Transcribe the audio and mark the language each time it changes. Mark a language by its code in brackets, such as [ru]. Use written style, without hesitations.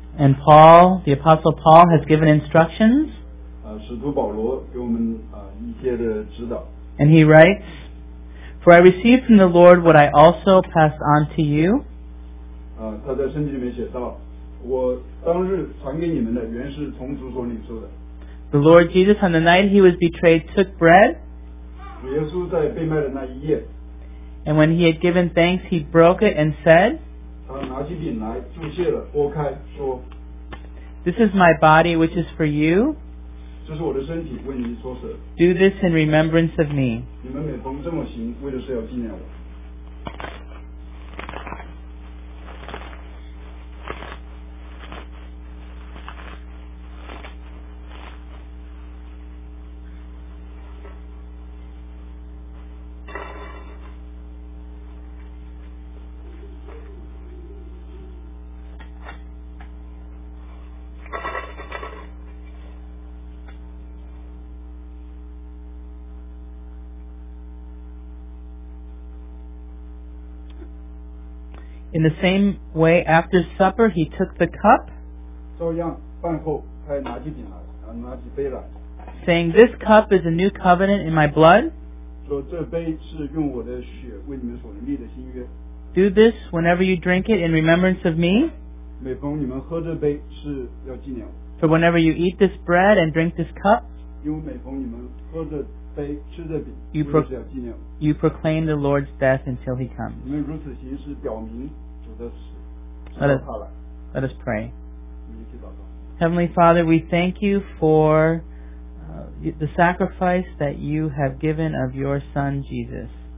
[en] And Paul, the Apostle Paul, has given instructions. [zh] 使徒保罗给我们, 一些的指导。 [en] And he writes, For I received from the Lord what I also passed on to you. [zh] 他在圣经里面写道, [en] the Lord Jesus, on the night he was betrayed, took bread. [zh] 耶稣在被卖的那一夜, [en] and when he had given thanks, he broke it and said, [zh] 他拿起饼来, 注谢了, 拨开, 说, [en] This is my body which is for you. [zh] 这是我的身体, [en] Do this in remembrance of me. [zh] 你们每逢这么行, [en] In the same way, after supper, he took the cup, [zh] 照样,饭后,他也拿起饼来,拿起杯来, [en] saying, This cup is a new covenant in my blood. [zh] 说,这杯是用我的血为你们所立的新约, [en] Do this whenever you drink it in remembrance of me. [zh] 每逢你们喝这杯是要纪念我, [en] For whenever you eat this bread and drink this cup, [zh] 因为每逢你们喝这杯,吃这饼, [en] you proclaim the Lord's death until he comes. [zh] 你们如此行是表明, [en] Let us pray. Heavenly Father, we thank you for the sacrifice that you have given of your Son, Jesus.